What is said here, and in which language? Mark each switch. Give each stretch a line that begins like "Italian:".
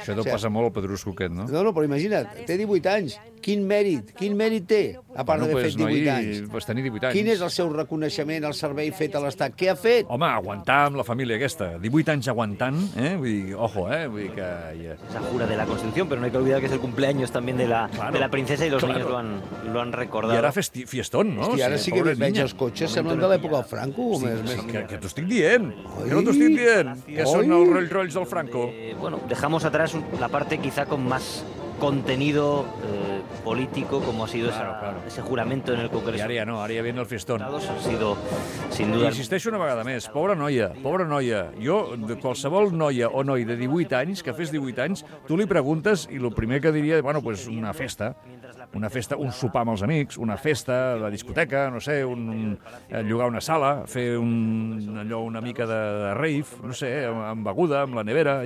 Catalan: Això t'ho passa molt al Pedrusco aquest, no? No, però imagina't, té 18 anys. Quin mèrit té, a part bueno, d'haver fet 18 noi, anys? Pues tenir 18 anys. Quin és el seu reconeixement al servei fet a l'Estat? Què ha fet? Home, aguantar amb la família aquesta. 18 anys aguantant, vull dir, ojo, vull dir que...
Spanish: Se jura de la Constitución, pero no hay que olvidar que es el cumpleaños también de la, claro, de la princesa y los claro. niños lo han recordado.
Catalan: I ara fiestón, no? Hòstia, ara sí que veig els cotxes, semblen de l'època del Franco. Sí, més, sí, més. Que t'ho estic dient, que són els Rolls Royce del Franco.
Spanish: Bueno, dejamos atrás la parte quizá con más contenido político, como ha sido ese juramento en el Congreso.
Catalan: I ara ja no, ara ja
Spanish: viene el fiestón. Ha sido, sin duda...
Catalan: Insisteixo una vegada més, pobra noia. Jo, de qualsevol noia o noi de 18 anys, que fes 18 anys, tu li preguntes i el primer que diria, bueno, pues una festa, un sopar amb els amics, una festa, la discoteca, no sé, llogar una sala, fer allò una mica de rave, no sé, amb beguda, amb la nevera.